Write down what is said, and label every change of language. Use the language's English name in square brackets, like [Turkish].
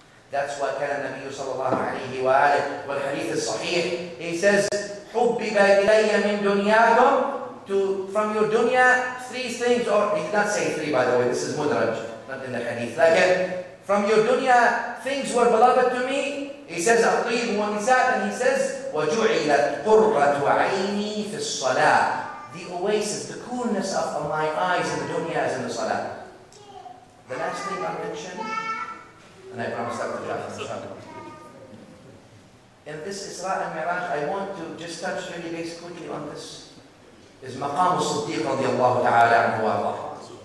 [English] That's why [Arabic] كان النبي صلى الله عليه وآله والحديث الصحيح. [English] He says, [Arabic] حبب إلي من دنياكم, [English] to from your dunya three things, or he did not say three, by the way, this is مدرج, not in the hadith. Again, from your dunya things were beloved to me. He says, [Arabic] أطيب ونساء, [English] and he says, [Arabic] وجعلت قرة عيني في الصلاة. [English] The oasis, the coolness of my eyes in the dunya is in the salah. The last thing I'll mention, and I promise that will be in this Isra and Miraj, I want to just touch really base quickly on this, is Maqam al-Siddiq radiallahu ta'ala anhu wa Allah.